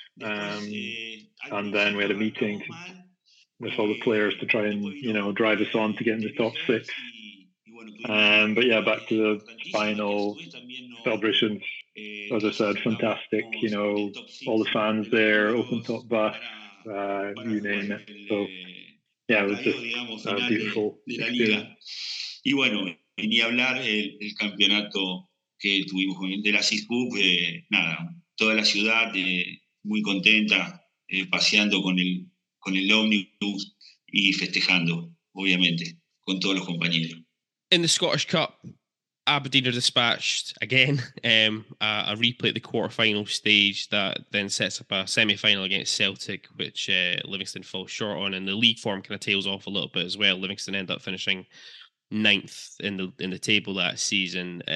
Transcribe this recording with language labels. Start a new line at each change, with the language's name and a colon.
English: And then we had a meeting with all the players to try and, you know, drive us on to get in the top six. But yeah, back to the final celebrations. As I said, fantastic. You know, all the fans there, open top bus, you name it. So yeah, it was just a beautiful experience.
Spanish: Y bueno, ni hablar el campeonato que tuvimos de la CISCUP, nada, toda la ciudad muy contenta, paseando con el ómnibus y festejando, obviamente, con todos los compañeros.
English: In the Scottish Cup, Aberdeen are dispatched again, a replay at the quarterfinal stage that then sets up a semi-final against Celtic, which Livingston falls short on, and the league form kind of tails off a little bit as well. Livingston end up finishing ninth in the table that season.